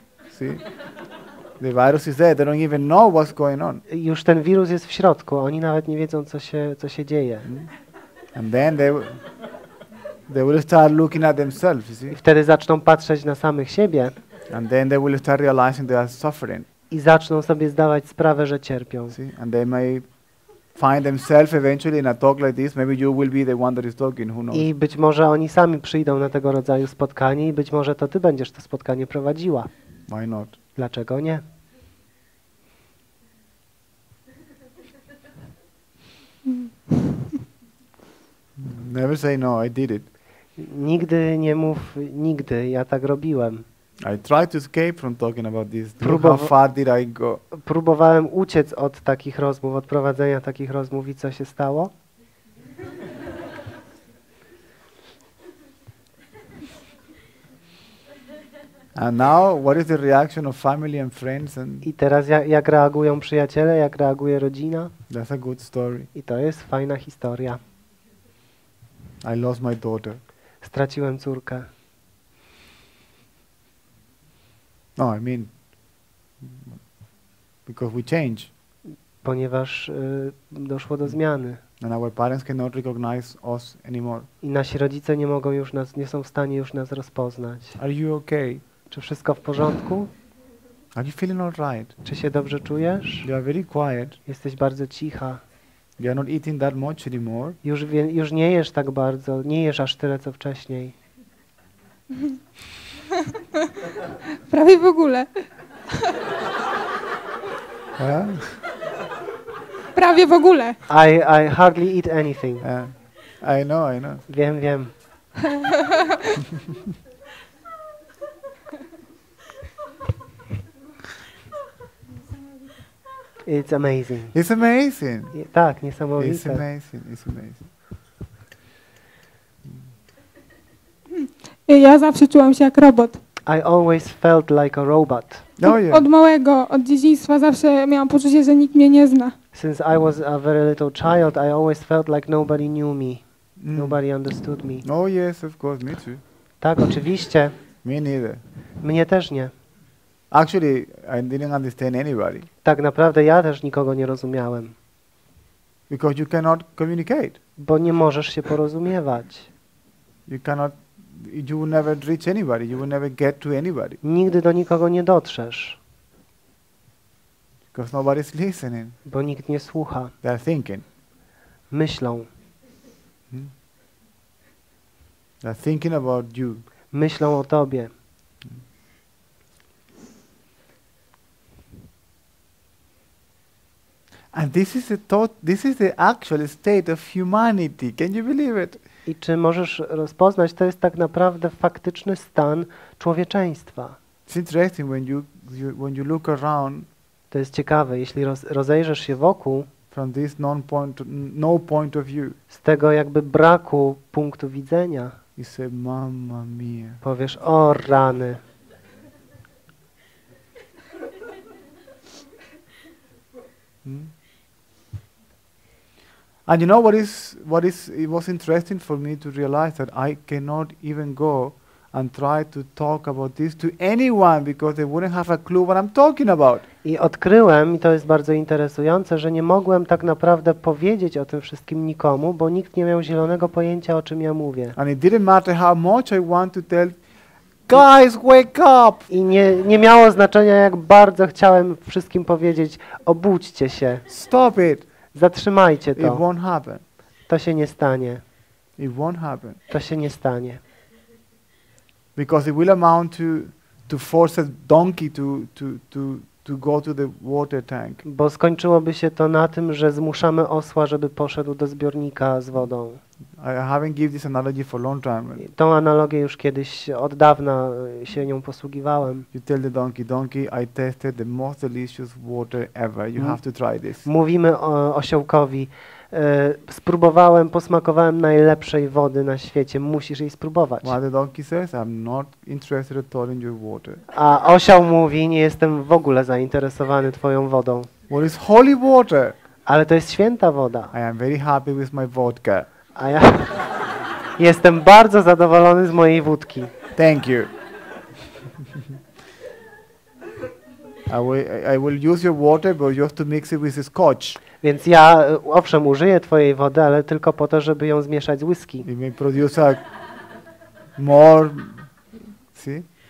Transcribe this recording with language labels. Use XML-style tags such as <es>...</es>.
<en>See, the virus is there. They don't even know what's going on.</en> <pl>Już ten wirus jest w środku. Oni nawet nie wiedzą, co się dzieje.</pl> <en>And then they will start looking at themselves. You see.</en> <pl>I wtedy zaczną patrzeć na samych siebie.</pl> <en>And then they will start realizing they are suffering.</en> <pl>I zaczną sobie zdawać sprawę, że cierpią.</pl> <en>See, and they may find themselves eventually in a talk like this. Maybe you will be the one that is talking. Who knows?</en> <pl>I być może oni sami przyjdą na tego rodzaju spotkanie i być może to ty będziesz to spotkanie prowadziła.</pl> <en>Why not?</en> <pl>Dlaczego nie?</pl> <en>Never say no, I did it.</en> <pl>Nigdy nie mów nigdy, ja tak robiłem.</pl> <en>I tried to escape from talking about this. How far did I go?</en> <pl>Próbowałem uciec od takich rozmów, od prowadzenia takich rozmów i co się stało?</pl> <en>And now, what is the reaction of family and friends? And</en> <pl>i teraz jak reagują przyjaciele, jak reaguje rodzina?</pl> <en>That's a good story.</en> <pl>I to jest fajna historia.</pl> <en>I lost my daughter.</en> <pl>Straciłem córkę.</pl> <en>No, I mean, because we change.</en> <pl>Ponieważ doszło do zmiany.</pl> <en>And our parents cannot recognize us anymore.</en> <pl>I nasi rodzice nie mogą już nas, nie są w stanie już nas rozpoznać.</pl> <en>Are you okay?</en> <pl>Czy wszystko w porządku?</pl> <en>Are you feeling all right?</en> <pl>Czy się dobrze czujesz?</pl> <en>You are very quiet.</en> <pl>Jesteś bardzo cicha.</pl> <en>You are not eating that much anymore.</en> <pl>Już nie jesz tak bardzo, nie jesz aż tyle co wcześniej. Prawie w ogóle. Prawie w ogóle.</pl> <en>I hardly eat anything. I know.</en> <pl>Wiem.</pl> <en>It's amazing. It's amazing.</en> <pl>Tak, niesamowite.</pl> <en>It's amazing.</en> <pl>Ja zawsze czułam się jak robot.</pl> <en>I always felt like a robot. Oh, yeah.</en> <pl>Od małego, od dzieciństwa zawsze miałam poczucie, że nikt mnie nie zna.</pl> <en>Since I was a very little child, I always felt like nobody knew me. Mm. Nobody understood me. Oh yes, of course, me too.</en> <pl>Tak, oczywiście.</pl> <en>Me neither.</en> <pl>Mnie też nie.</pl> <en>Actually, I didn't understand anybody.</en> <pl>Tak naprawdę ja też nikogo nie rozumiałem.</pl> <en>Because you cannot communicate.</en> <pl>Bo nie możesz się porozumiewać.</pl> <en>You cannot. You will never reach anybody. You will never get to anybody.</en> <pl>Nigdy do nikogo nie dotrzesz.</pl> <en>Because nobody's listening.</en> <pl>Bo nikt nie słucha.</pl> <en>They're thinking.</en> <pl>Myślą. Hmm?</pl> <en>They're thinking about you.</en> <pl>Myślą o tobie.</pl> <en>And this is the thought. This is the actual state of humanity. Can you believe it?</en> <pl>I czy możesz rozpoznać, to jest tak naprawdę faktyczny stan człowieczeństwa.</pl> <en>It's interesting when you look around.</en> <pl>To jest ciekawe, jeśli rozejrzesz się wokół.</pl> <en>From this no point of view.</en> <pl>Z tego jakby braku punktu widzenia.</pl> <en>You say, mamma mia.</en> <pl>Powiesz, o rany.</pl> <en>And you know what is it was interesting for me to realize that I cannot even go and try to talk about this to anyone because they wouldn't have a clue what I'm talking about.</en> <pl>I odkryłem, i to jest bardzo interesujące, że nie mogłem tak naprawdę powiedzieć o tym wszystkim nikomu, bo nikt nie miał zielonego pojęcia, o czym ja mówię.</pl> <en>And it didn't matter how much I want to tell. Guys, wake up!</en> <pl>I nie miało znaczenia, jak bardzo chciałem wszystkim powiedzieć, obudźcie się.</pl> <en>Stop it!</en> <pl>Zatrzymajcie to.</pl> <en>It won't happen.</en> <pl>To się nie stanie.</pl> <en>It won't happen.</en> <pl>To się nie stanie.</pl> <en>Because it will amount to force a donkey to go to the water tank.</en> <pl>Bo skończyłoby się to na tym, że zmuszamy osła, żeby poszedł do zbiornika z wodą.</pl> <en>I haven't given this analogy for a long time.</en> <pl>Tą analogię już kiedyś od dawna się nią posługiwałem.</pl> <en>You tell the donkey, I tested the most delicious water ever. You have to try this.</en> <pl>Mówimy osiołkowi, spróbowałem, posmakowałem najlepszej wody na świecie. Musisz jej spróbować.</pl> <en>What the donkey says, I'm not interested at all in your water.</en> <pl>A osioł mówi, nie jestem w ogóle zainteresowany twoją wodą.</pl> <en>What is holy water?</en> <pl>Ale to jest święta woda.</pl> <en>I am very happy with my vodka.</en> <pl>A ja jestem bardzo zadowolony z mojej wódki.</pl> <en>Thank you. I will use your water, but you have to mix it with the scotch.</en> <pl>Więc ja owszem użyję twojej wody, ale tylko po to, żeby ją zmieszać z whisky.</pl> <en>It may produce a more, see?</en>